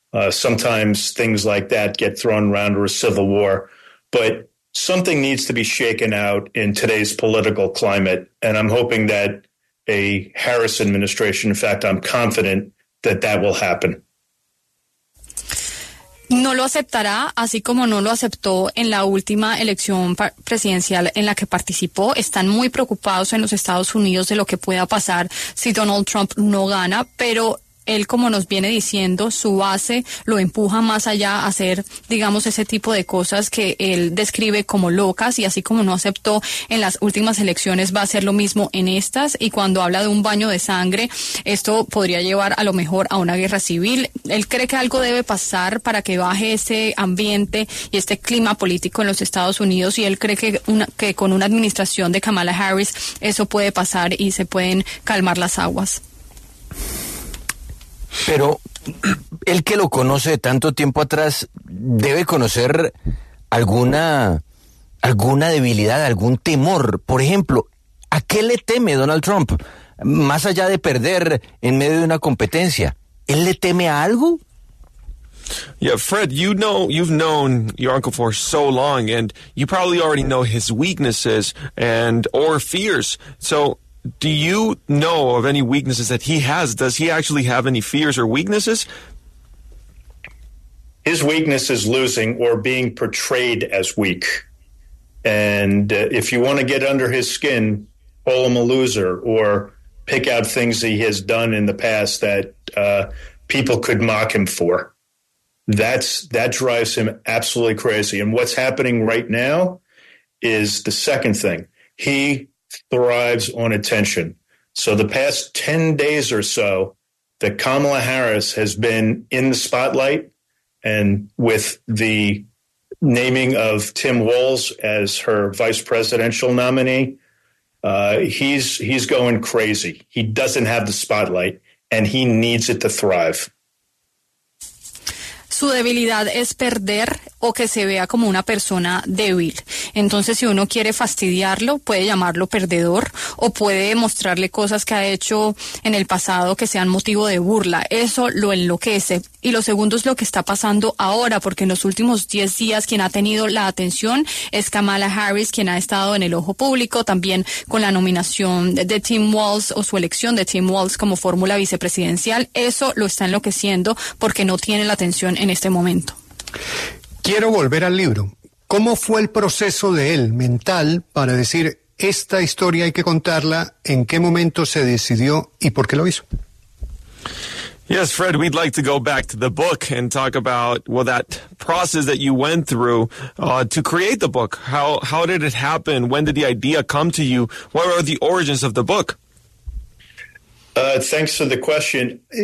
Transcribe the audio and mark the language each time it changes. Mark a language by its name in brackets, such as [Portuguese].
[English] Sometimes things like that get thrown around, or a civil war. But something needs to be shaken out in today's political climate. And I'm hoping that a Harris administration, in fact, I'm confident that that will happen. [Spanish] No lo aceptará, así como no lo aceptó en la última elección presidencial en la que participó. Están muy preocupados en los Estados Unidos de lo que pueda pasar si Donald Trump no gana, pero él, como nos viene diciendo, su base lo empuja más allá a hacer, digamos, ese tipo de cosas que él describe como locas, y así como no aceptó en las últimas elecciones, va a hacer lo mismo en estas. Y cuando habla de un baño de sangre, esto podría llevar a lo mejor a una guerra civil. Él cree que algo debe pasar para que baje ese ambiente y este clima político en los Estados Unidos, y él cree que con una administración de Kamala Harris eso puede pasar y se pueden calmar las aguas. Pero él, que lo conoce de tanto tiempo atrás, debe conocer alguna debilidad, algún temor. Por ejemplo, ¿a qué le teme Donald Trump? Más allá de perder en medio de una competencia, ¿él le teme a algo? [English] Yeah, Fred, you know, you've known your uncle for so long, and you probably already know his weaknesses and or fears. So do you know of any weaknesses that he has? Does he actually have any fears or weaknesses? His weakness is losing or being portrayed as weak. And if you want to get under his skin, call him a loser, or pick out things he has done in the past that people could mock him for. That drives him absolutely crazy. And what's happening right now is the second thing. He thrives on attention. So the past 10 days or so, that Kamala Harris has been in the spotlight, and with the naming of Tim Walz as her vice presidential nominee, he's going crazy. He doesn't have the spotlight, and he needs it to thrive. [Spanish] Su debilidad es perder o que se vea como una persona débil. Entonces, si uno quiere fastidiarlo, puede llamarlo perdedor o puede mostrarle cosas que ha hecho en el pasado que sean motivo de burla. Eso lo enloquece. Y lo segundo es lo que está pasando ahora, porque en los últimos 10 días quien ha tenido la atención es Kamala Harris, quien ha estado en el ojo público, también con la nominación de Tim Walz o su elección de Tim Walz como fórmula vicepresidencial. Eso lo está enloqueciendo porque no tiene la atención en este momento. Quiero volver al libro. ¿Cómo fue el proceso de él mental para decir esta historia hay que contarla? ¿En qué momento se decidió y por qué lo hizo? [English] Yes, Fred, we'd like to go back to the book and talk about, well, that process that you went through to create the book. How did it happen? When did the idea come to you? What are the origins of the book? Thanks for the question.